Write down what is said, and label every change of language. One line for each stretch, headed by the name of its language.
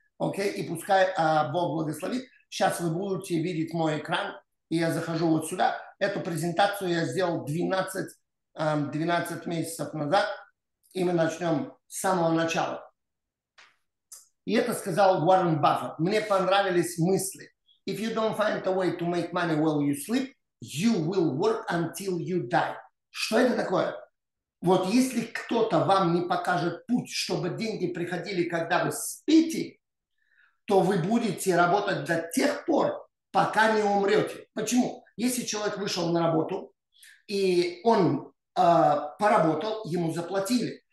Russian: Окей, и пускай Бог благословит. Сейчас вы будете видеть мой экран, и я захожу вот сюда. Эту презентацию я сделал 12 месяцев назад. И мы начнем с самого начала. И это сказал Уоррен Баффет. Мне понравились мысли.
English: If you don't find a way to make money while you sleep, you will work until you die.
Russian: Что это такое? Вот если кто-то вам не покажет путь, чтобы деньги приходили, когда вы спите, то вы будете работать до тех пор, пока не умрете. Почему? Если человек вышел на работу, и он поработал, ему заплатили.